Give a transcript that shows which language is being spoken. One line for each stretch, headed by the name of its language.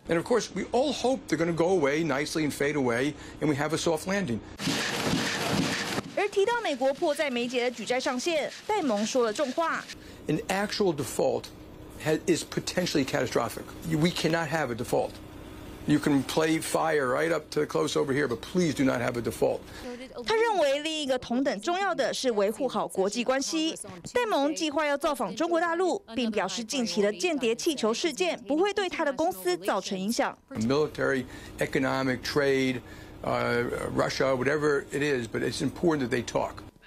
English: And of course, we all hope they're going to go away nicely and fade away, and we have a soft landing.
Chinese: 而提到美国迫在眉睫的举债上限，戴蒙说了重话。
English: An actual default is potentially catastrophic. We cannot have a default. You can play fire right up to the close over here, but please do not have a default.
Chinese: 他认为另一个同等重要的是维护好国际关系。戴蒙计划要造访中国大陆，并表示近期的间谍气球事件不会对他的公司造成影响。
English: A military, economic, trade. Russia, whatever it is, but it's important that they talk.